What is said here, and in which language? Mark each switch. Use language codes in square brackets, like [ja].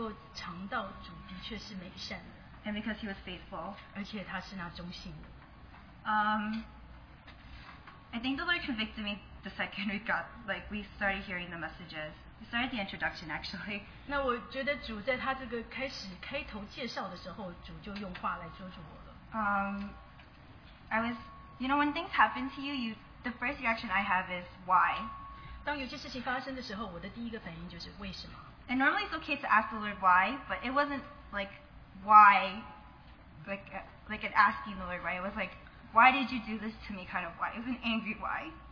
[zh] 那我能够在这里分享，是因为我能够尝到主的确是美善的。 [en] And because He was faithful. [zh] 而且他是那忠心的。 [en] I think the Lord convicted me the second we started hearing the messages. We started the introduction, actually. [zh] 那我觉得主在他这个开头介绍的时候，主就用话来捉住我了。 [en] I was, you know, when things happen to you, the first reaction I have is why. [zh] 当有些事情发生的时候，我的第一个反应就是为什么。 [en] And normally it's okay to ask the Lord why, but it wasn't like why, like an asking the Lord why. It was like, why did you do this to me kind of why. It was an angry why.